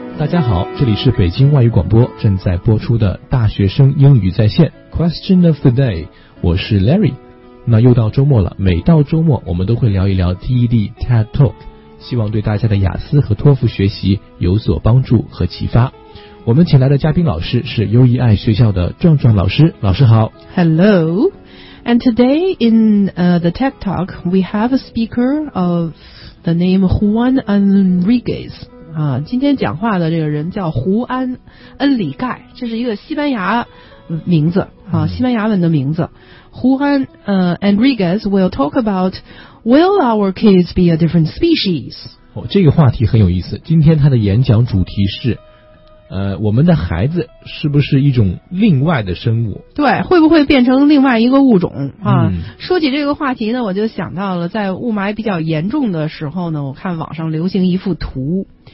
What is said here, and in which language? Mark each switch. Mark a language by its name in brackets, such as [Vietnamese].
[Chinese] 家好，这里是北京外语广播正在播出的大学生英语在线 Question of the Day， 我是 Larry。那又到周末了，每到周末我们都会聊一聊 TED TED Talk， 希望对大家的雅思和托福学习有所帮助和启发。我们请来的嘉宾老师是 UEI 学校的壮壮老师，老师好。 [English] Hello。 And today in the TED Talk, we have a speaker of the name Juan Enriquez. [Chinese] 今天讲话的这个人叫胡安·恩里盖，这是一个西班牙名字，西班牙文的名字。 [English] Juan Enriquez will talk about, will our kids be a different species? [Chinese] 这个话题很有意思，今天他的演讲主题是我们的孩子是不是一种另外的生物？对，会不会变成另外一个物种啊？说起这个话题呢，我就想到了在雾霾比较严重的时候呢，我看网上流行一幅图。